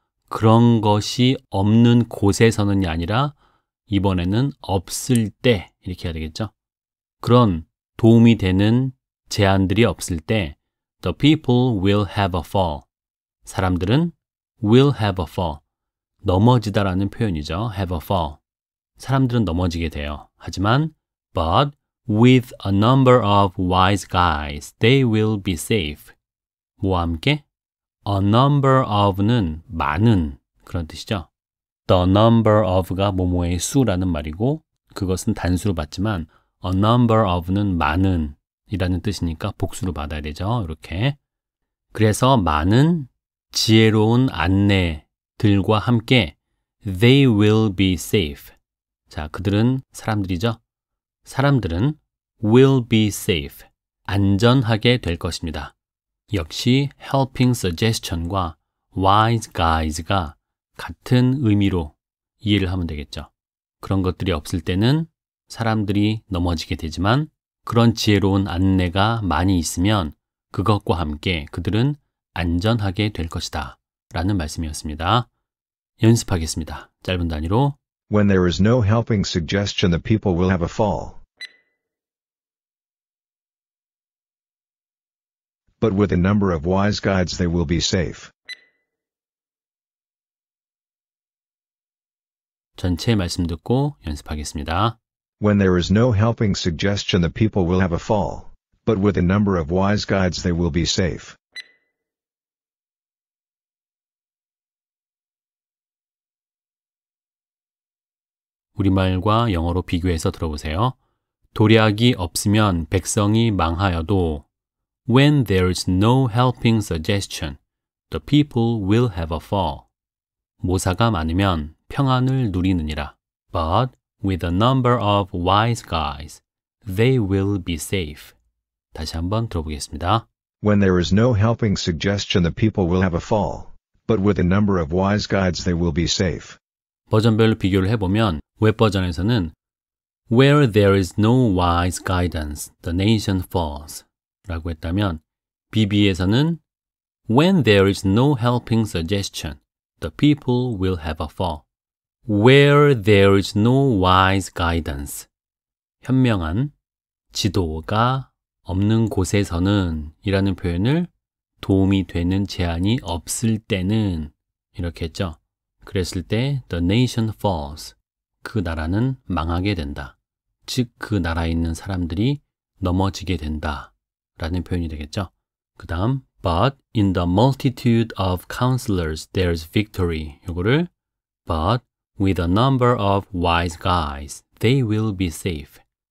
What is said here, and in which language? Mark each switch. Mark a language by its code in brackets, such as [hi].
[ko] 그런 것이 없는 곳에서는이 아니라 이번에는 없을 때 이렇게 해야 되겠죠. 그런 도움이 되는 제안들이 없을 때 [en] The people will have a fall. [ko] 사람들은 [en] will have a fall. [ko] 넘어지다 라는 표현이죠. [en] have a fall. [ko] 사람들은 넘어지게 돼요. 하지만 [en] But with a number of wise guys, they will be safe. [ko] 뭐와 함께? [en] A number of [ko] 는 많은 그런 뜻이죠. [en] The number of [ko] 가 뭐뭐의 수라는 말이고 그것은 단수로 봤지만 [en] a number of [ko] 는 많은 이라는 뜻이니까 복수로 받아야 되죠. 이렇게 그래서 많은 지혜로운 안내들과 함께 [en] they will be safe. [ko] 자, 그들은 사람들이죠. 사람들은 [en] will be safe. [ko] 안전하게 될 것입니다. 역시 [en] helping suggestion [ko] 과 [en] wise guys [ko] 가 같은 의미로 이해를 하면 되겠죠. 그런 것들이 없을 때는 사람들이 넘어지게 되지만 그런 지혜로운 안내가 많이 있으면 그것과 함께 그들은 안전하게 될 것이다 라는 말씀이었습니다. 연습하겠습니다. 짧은 단위로 [en] When there is no helping suggestion, the people will have a fall. But with a number of wise guides, they will be safe. [ko] 전체 말씀 듣고 연습하겠습니다. [en] When there is no helping suggestion, the people will have a fall. But with a number of wise guides, they will be safe. [ko] 우리말과 영어로 비교해서 들어보세요. 도략이 없으면 백성이 망하여도 [en] When there is no helping suggestion, the people will have a fall. [ko] 모사가 많으면 평안을 누리느니라. [en] But with a number of wise guys, they will be safe. [ko] 다시 한번 들어보겠습니다. [en] When there is no helping suggestion, the people will have a fall. But with a number of wise guides, they will be safe. [ko] 버전별로 비교를 해보면 웹 버전에서는 [en] Where there is no wise guidance, the nation falls [ko] 라고 했다면 BB에서는 [en] When there is no helping suggestion, the people will have a fall. Where there is no wise guidance, [ko] 현명한 지도가 없는 곳에서는 이라는 표현을 도움이 되는 제안이 없을 때는 이렇게 했죠. 그랬을 때 [en] the nation falls, [ko] 그 나라는 망하게 된다. 즉 그 나라에 있는 사람들이 넘어지게 된다 라는 표현이 되겠죠. 그 다음 [en] but in the multitude of counselors there's victory [ko] 이거를 [en] but with a number of wise guys they will be safe.